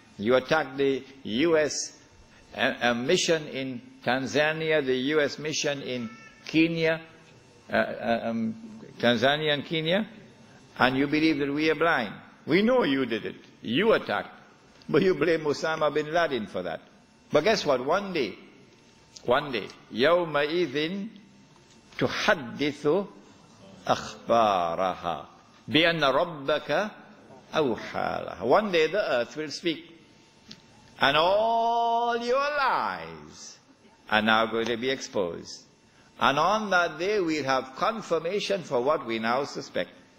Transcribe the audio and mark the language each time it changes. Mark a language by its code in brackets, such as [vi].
[en] You attack the U.S. A mission in Tanzania, the U.S. mission in Kenya, Tanzania and Kenya, and you believe that we are blind. We know you did it. You attacked. But you blame Osama bin Laden for that. But guess what? One day, [ar] يَوْمَ إِذٍ تُحَدِّثُ أَخْبَارَهَا بِأَنَّ رَبَّكَ أَوْحَالَهَا. [en] One day the earth will speak. And all your lies are now going to be exposed. And on that day we'll have confirmation for what we now suspect.